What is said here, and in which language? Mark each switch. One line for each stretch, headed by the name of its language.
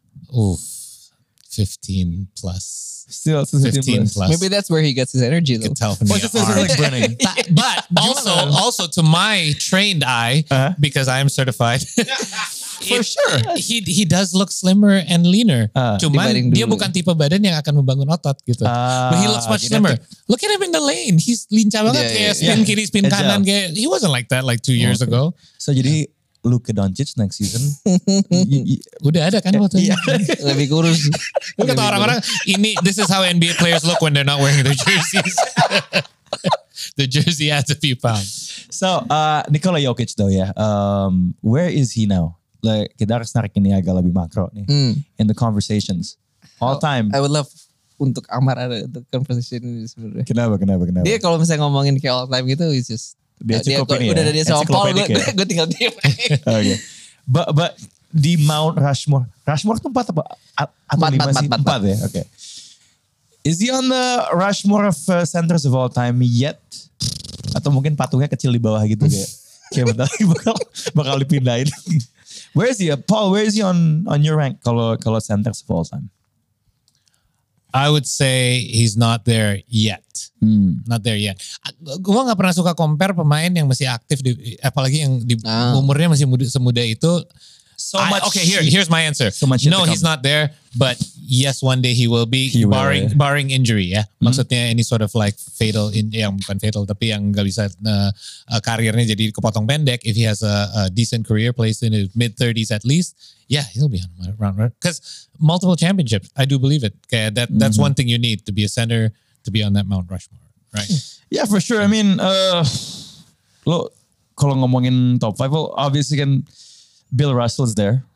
English: Oof, 15 plus. Still 15 plus. Maybe that's where he gets his energy though. You can tell from the arm. Like burning. But also to my trained eye, because I am certified. For sure. He does look slimmer and leaner.
Indonesian: Cuman dia bukan tipe badan yang akan membangun otot gitu.
English: But he looks much slimmer. Look at him in the lane. He's
Indonesian: lincah banget. Spin kiri, spin kanan. Kayak,
English: he wasn't like that like 2 years ago. So jadi Luka Doncic next season.
Indonesian: Udah ada kan waktu itu. Lebih kurus. Lu kata orang-orang, ini
English: this is how NBA players look when they're not wearing their jerseys. The jersey adds a few pounds. So Nikola Jokic though, yeah. Where is he now?
Indonesian: Like, kita harus narik ini agak lebih makro nih. Mm.
English: In the conversations. All time. I would love
Indonesian: untuk Amar ada untuk conversation ini sebenarnya. Kenapa? Dia kalau misalnya ngomongin kayak all time gitu,
English: it's just.
Indonesian: Dia cukup ini ya. Udah dari sama Paul, gue tinggal diem. Okay. But di Mount Rushmore. Rushmore itu 4 apa? 4 ya, oke. Okay.
English: Is he on the Rushmore of centers of all time yet?
Indonesian: Atau mungkin patungnya kecil di bawah gitu kayak. Kayak bentar lagi bakal dipindahin.
English: Where is he, Paul? Where is he on your rank?
Indonesian: Kalau
English: centers of all time, I would say he's not there yet. Not there yet.
Indonesian: Gua nggak pernah suka compare pemain yang masih aktif, apalagi yang di umurnya masih semuda itu.
English: So much. Okay, here's my answer. So much. No, he's not there. But yes, one day he will be. Barring injury, ya.
Indonesian: Maksudnya ini
English: sort of like fatal,
Indonesian: yang bukan fatal, tapi yang nggak bisa karirnya jadi kepotong pendek.
English: If he has a decent career, plays in his mid-30s at least, yeah, he'll be on my round. Because multiple championships, I do believe it. Okay, that's one thing you need to be a center, to be on that Mount Rushmore, right? Yeah, for sure. I mean, look,
Indonesian: kalau ngomongin top five,
English: well, obviously again, Bill Russell is there.